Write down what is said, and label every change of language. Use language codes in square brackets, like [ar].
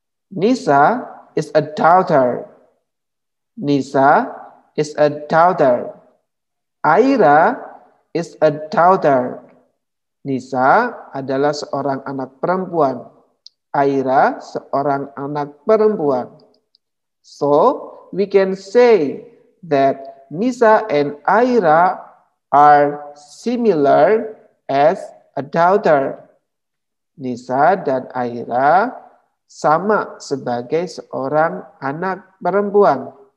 [en] Nisa is a daughter. Nisa is a daughter. Aira is a daughter. [id] Nisa adalah seorang anak perempuan. Aira seorang anak perempuan. [en] So we can say that Nisa and Aira are similar as a daughter. [id] Nisa dan Aira sama sebagai seorang anak perempuan.